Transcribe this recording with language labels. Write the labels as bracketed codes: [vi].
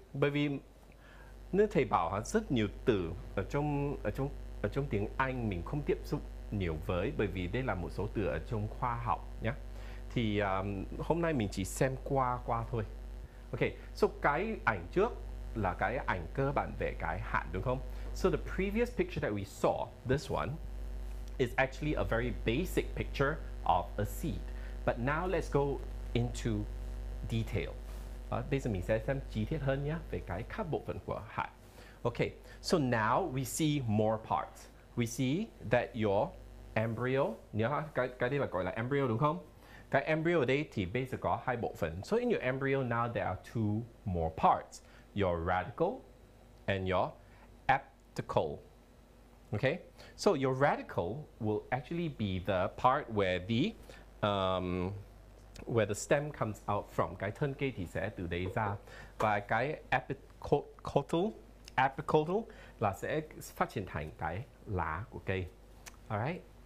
[vi] Bởi vì như thầy bảo rất nhiều từ ở trong tiếng Anh mình không tiếp xúc nhiều với, bởi vì đây là một số từ ở trong khoa học nhá. thì hôm nay mình chỉ xem qua thôi. Ok, so cái ảnh trước là cái ảnh cơ bản về cái hạt đúng không? [en] So the previous picture that we saw, this one, is actually a very basic picture of a seed. But now let's go into detail. [vi] Bây giờ mình sẽ xem chi tiết hơn nhé về cái các bộ phận của hạt. [en] Ok, so now we see more parts. We see that your embryo, [vi] nhớ cái đây là gọi là embryo đúng không? Cái embryo ở đây thì bây giờ có hai bộ phận. [en] So in your embryo now there are two more parts. Your radical and your apical. Okay? So your radical will actually be the part where the stem comes out from. [vi] Cái thân cây thì sẽ từ đây ra. Và cái apical là sẽ phát triển thành cái lá của cây. All right?